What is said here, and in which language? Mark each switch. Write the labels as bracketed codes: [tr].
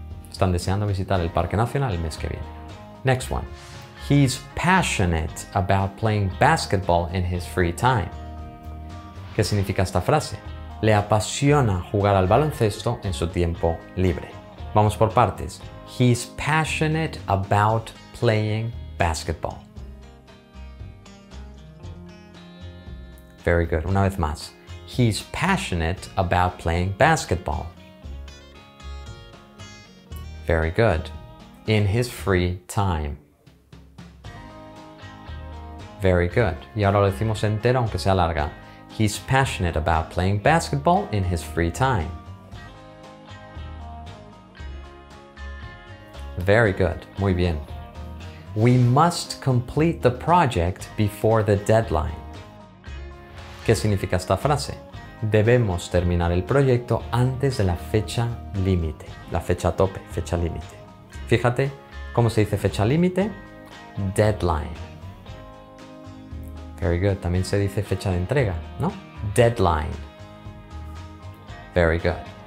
[es] Están deseando visitar el Parque Nacional el mes que viene. [en] Next one. He's passionate about playing basketball in his free time. [es] ¿Qué significa esta frase? Le apasiona jugar al baloncesto en su tiempo libre. Vamos por partes. [en] He's passionate about playing basketball. Very good. [es] Una vez más. [en] He's passionate about playing basketball. Very good. In his free time. Very good. [es] Y ahora lo decimos entero, aunque sea larga. [en] He's passionate about playing basketball in his free time. Very good. [es] Muy bien. [en] We must complete the project before the deadline. [es] ¿Qué significa esta frase? Debemos terminar el proyecto antes de la fecha límite. La fecha tope, fecha límite. Fíjate, ¿cómo se dice fecha límite? Deadline. [en] Very good. [es] También se dice fecha de entrega, ¿no? Deadline. Very good.